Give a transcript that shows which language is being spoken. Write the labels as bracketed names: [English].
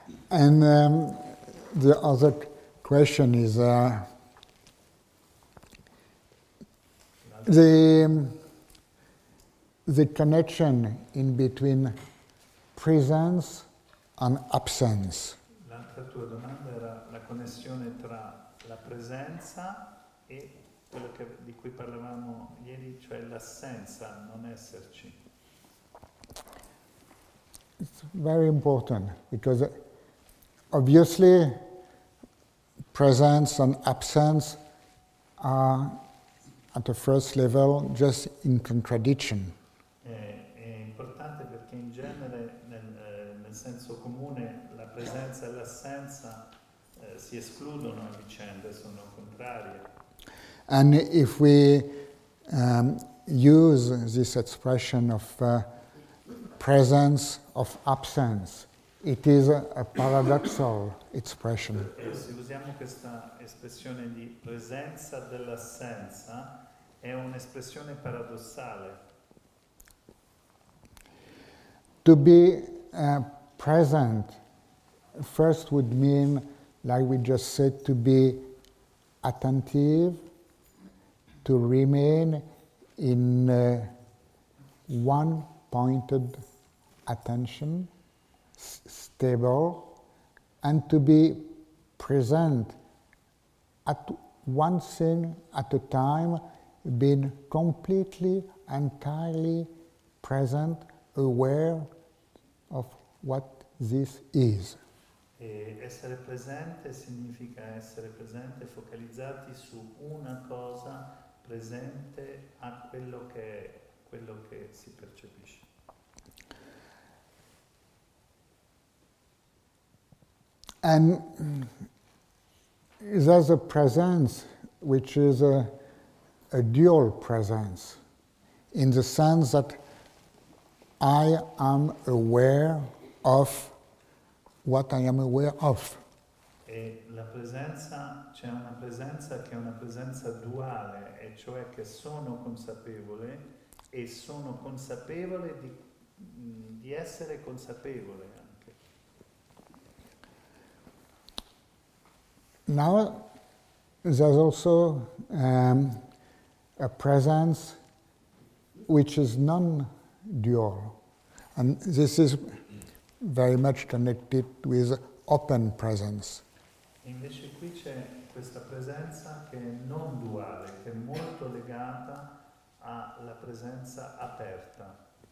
[English] And the other question is the connection in between presence and absence. [Italian] L'altra tua domanda era la connessione tra la presenza e quello che, di cui parlavamo ieri, cioè l'assenza, non esserci. [English] It's very important because obviously presence and absence are at the first level just in contradiction. [Italian] È importante perché in genere nel senso comune la presenza e l'assenza si escludono a vicenda, sono contrarie. [English] And if we use this expression of presence of absence, it is a paradoxal expression. [Italian] Se usiamo questa espressione di presenza dell'assenza, è un'espressione paradossale. [English] To be present first would mean, like we just said, to be attentive, to remain in one-pointed attention, stable, and to be present at one thing at a time, being completely, entirely present, aware of what this is. [Italian] E essere presente significa essere presente, focalizzati su una cosa, presente a quello che si percepisce. [English] And there's a presence which is a dual presence, in the sense that I am aware of what I am aware of. [Italian] E la presenza, c'è una presenza che è una presenza duale, e cioè che sono consapevole e sono consapevole di essere consapevole. [English] Now there's also a presence which is non-dual, and this is very much connected with open presence. [Italian] Invece qui c'è questa presenza che è non duale, che è molto legata alla presenza aperta.